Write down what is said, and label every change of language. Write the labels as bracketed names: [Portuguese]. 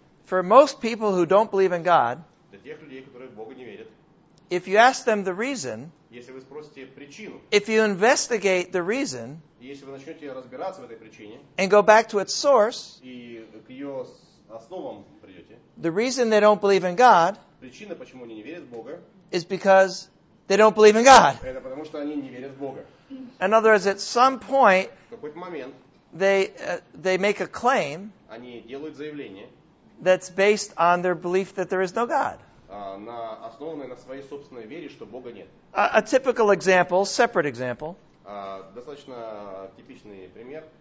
[English] For most people who don't believe in God, [Russian] для тех людей, которые в Бога не верят, [English] if you ask them the reason, [Russian] если вы спросите причину, [English] if you investigate the reason, [Russian] если вы начнете разбираться в этой причине, [English] and go back to its source, [Russian] и к ее основам придете, [English] the reason they don't believe in God, [Russian] причина, почему они не верят в Бога, [English] is because they don't believe in God. [Russian] Это потому, что они не верят в Бога. [English] In other words, at some point, [Russian] в какой-то момент, [English] they make a claim, [Russian] они делают заявление, [English] that's based on their belief that there is no God. [Russian] Основанное на своей собственной вере, что Бога нет. [English] A typical example, separate example. [Russian] Достаточно типичный пример.